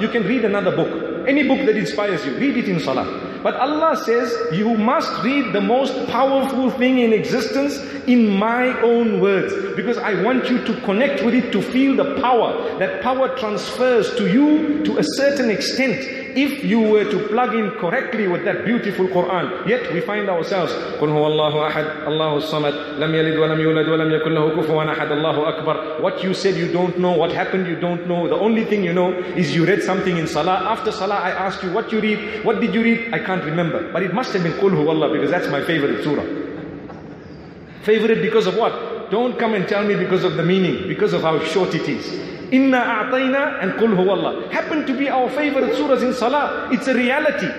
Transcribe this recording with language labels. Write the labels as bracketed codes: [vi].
[en] You can read another book. Any book that inspires you, read it in Salah. But Allah says, you must read the most powerful thing in existence in my own words. Because I want you to connect with it, to feel the power. That power transfers to you to a certain extent. If you were to plug in correctly with that beautiful Quran, yet we find ourselves, [ar] قُلْ هُوَ اللَّهُ أَحَدْ اللَّهُ الصَّمَدْ لَمْ يَلِدْ وَلَمْ يُولَدْ وَلَمْ يَكُنْ لَهُ كُفُوًا أَحَدْ اللَّهُ أَكْبَرْ. [en] What you said, you don't know. What happened, you don't know. The only thing you know is you read something in Salah. After Salah, I asked you, what you read? What did you read? I can't remember. But it must have been [ar] قُلْ هُوَ اللَّهُ, [en] because that's my favorite surah. Favorite because of what? Don't come and tell me because of the meaning, because of how short it is. Inna a'tayna and qul huwa Allah happen to be our favorite surahs in Salah. It's a reality.